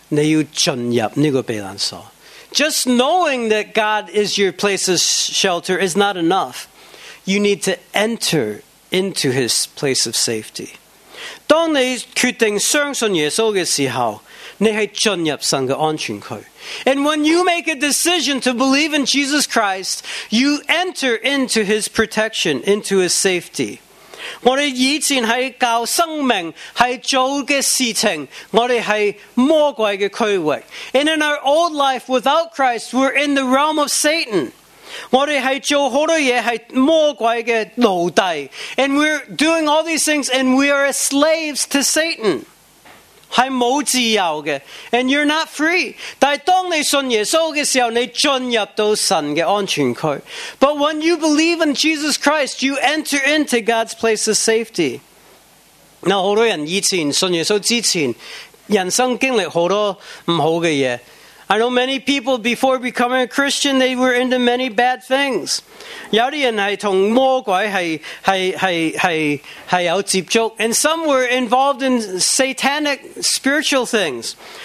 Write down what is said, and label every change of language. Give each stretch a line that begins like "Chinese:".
Chinese: 知道神是你的避难所,不足够,你要进入这个避难所.
English: Just knowing that God is your place of shelter is not enough. You need to enter into His place of safety.
Chinese: 当你决定相信耶稣的时候, 你是进入神的安全区.
English: And when you make a decision to believe in Jesus Christ, you enter into His protection, into His safety.
Chinese: 我们以前是靠生命,是做的事情,我们是魔鬼的区域.
English: And in our old life without Christ, we're in the realm of Satan.
Chinese: 我们是做很多事,是魔鬼的奴隶.
English: And we're doing all these things and we are slaves to Satan.
Chinese: 是没自由的,
English: and you're not free.
Chinese: 但当你信耶稣的时候, 你进入到神的安全区.
English: But when you believe in Jesus Christ, you enter into God's place of safety.
Chinese: 很多人以前信耶稣之前, 人生经历很多不好的事.
English: I know many people before becoming a Christian, they were into many bad things.
Chinese: 有些人是跟魔鬼有接触,
English: and some were involved in satanic spiritual things.